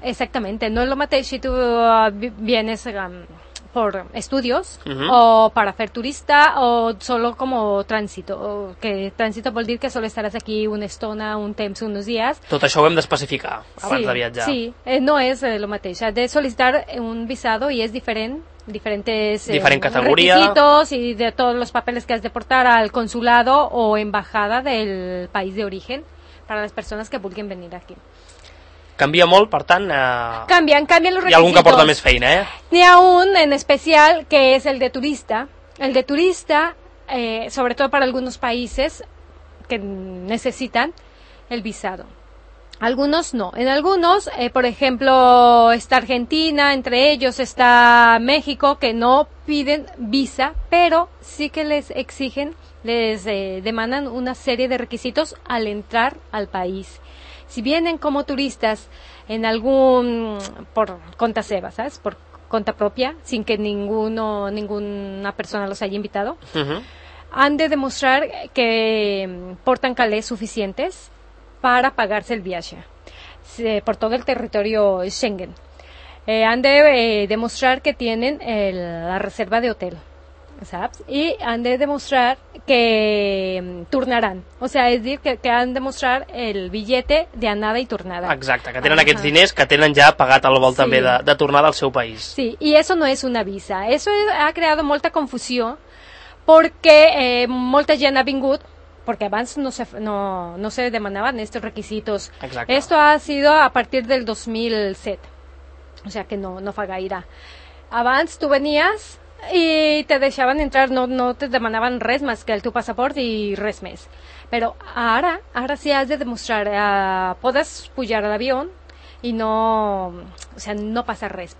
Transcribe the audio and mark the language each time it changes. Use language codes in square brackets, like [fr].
[ca] Exactamente. No és el mateix si tu vienes por estudios o para hacer turista o solo como tránsito, que tránsito vol dir que solo estaràs aquí una estona, un temps, uns dies. Tot això ho hem d'especificar abans de viatjar. Sí, no és el mateix. Has de sol·licitar un visado i és diferent, diferent categoria, [es] requisitos y de todos los papeles que has de portar al consulado o embajada del país de origen para las personas que vulguin venir aquí. [ca] Canvia molt, per tant... Canvien los requisitos. Hi ha algun que porta més feina, eh? N'hi ha un en especial que és el de turista. El de turista, sobretot per a alguns països que necessiten el visado. Algunos no. [es] En algunos, por ejemplo, está Argentina, entre ellos está México, que no piden visa, pero sí que les exigen, les demandan una serie de requisitos al entrar al país. Si vienen como turistas en algún por conta seva, ¿sabes? Por conta propia, sin que ninguna persona los haya invitado, han de demostrar que portan calés suficientes para pagarse el viaje por todo el territorio Schengen. Han de demostrar que tienen la reserva de hotel, ¿sabes? Y han de demostrar que turnarán. O sea, es decir, que han de demostrar el billete de anada y turnada. [ca] Exacte, que tenen aquests diners que tenen ja pagat al vol també de tornada al seu país. [es] Sí, y eso no es una visa. Eso ha creado molta confusió porque molta gent ha vingut porque abans no se demandaban estos requisitos. Exacte. Esto ha sido a partir del 2007. [ca] O sea, que no fa gaire. Abans tu venías y te deixaven entrar, no te demandaven res més que el teu passaport i res més. Però ara sí has de demostrar, podes pujar a l'avió i no, o sea, no passa res.